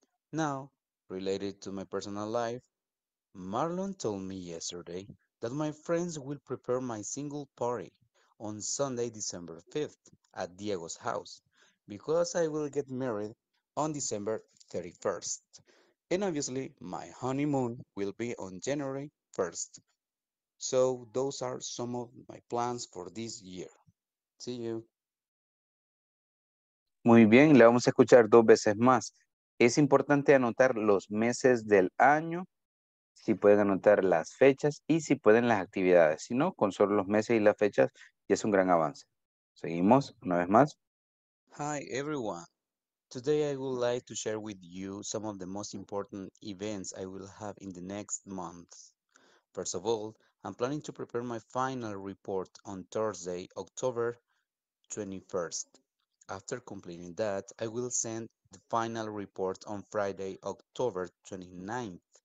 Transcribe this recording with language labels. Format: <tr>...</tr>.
<en>Now, related to my personal life, Marlon told me yesterday that my friends will prepare my single party on Sunday, December 5th at Diego's house because I will get married on December 31st. And obviously, my honeymoon will be on January 1st. So those are some of my plans for this year. See you.</en> <es>Muy bien, le vamos a escuchar dos veces más. Es importante anotar los meses del año, si pueden anotar las fechas y si pueden las actividades. Si no, con solo los meses y las fechas ya es un gran avance. Seguimos una vez más.</es> <en>Hi everyone. Today I would like to share with you some of the most important events I will have in the next month. First of all, I'm planning to prepare my final report on Thursday, October 21st. After completing that, I will send the final report on Friday, October 29th.</en>